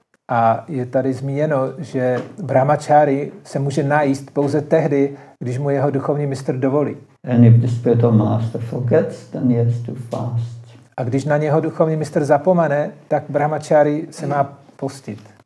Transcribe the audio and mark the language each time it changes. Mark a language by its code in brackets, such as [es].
[cs] A je tady zmíněno, že brahmachari se může najíst pouze tehdy, když mu jeho duchovní mistr dovolí. [en] And if the spiritual master forgets, then he has to fast. [cs] A když na něho duchovní mistr zapomene, tak brahmachari se má postit.